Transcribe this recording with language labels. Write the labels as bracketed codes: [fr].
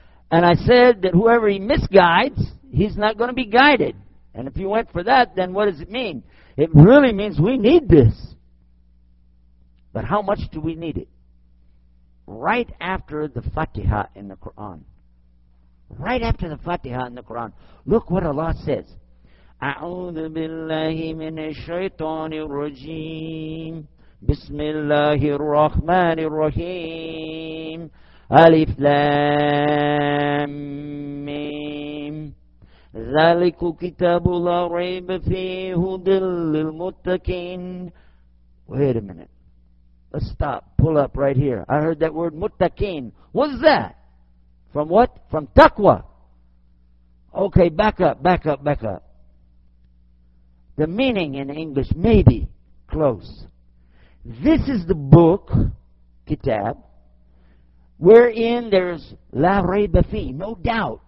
[en] And I said that whoever He misguides, He's not going to be guided. And if you went for that, then what does it mean? It really means we need this. But how much do we need it? Right after the Fatiha in the Quran. Right after the Fatiha in the Quran. Look what Allah says. [ar] أعوذ بالله من الشيطان الرجيم بسم الله الرحمن الرحيم ألف لام ميم ذلك كتاب لا ريب فيه هدى للمتقين. [en] Wait a minute. Let's stop. Pull up right here. I heard that word muttaqin. What's that? From what? From taqwa. Okay, back up. The meaning in English may be close. This is the book, kitab, wherein there's la rayba fi, no doubt.